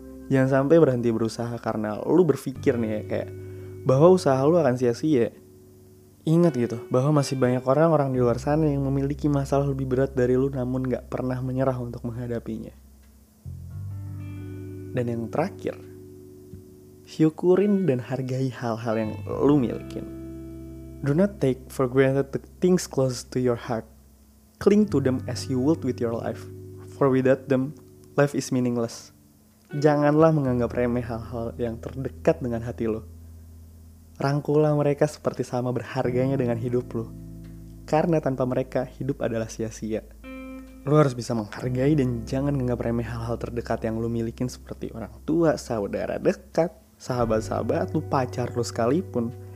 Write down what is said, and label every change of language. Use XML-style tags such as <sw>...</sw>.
<id>Jangan sampai berhenti berusaha karena lu berpikir nih ya, kayak bahwa usaha lu akan sia-sia. Ingat gitu, bahwa masih banyak orang-orang di luar sana yang memiliki masalah lebih berat dari lu namun gak pernah menyerah untuk menghadapinya. Dan yang terakhir, syukurin dan hargai hal-hal yang lu milikin.</id> <en>Do not take for granted the things close to your heart. Cling to them as you would with your life. For without them, life is meaningless.</en> <id>Janganlah menganggap remeh hal-hal yang terdekat dengan hati lo. Rangkulah mereka seperti sama berharganya dengan hidup lo. Karena tanpa mereka, hidup adalah sia-sia. Lo harus bisa menghargai dan jangan menganggap remeh hal-hal terdekat yang lo milikin seperti orang tua, saudara dekat, sahabat-sahabat, lo pacar lo sekalipun.</id>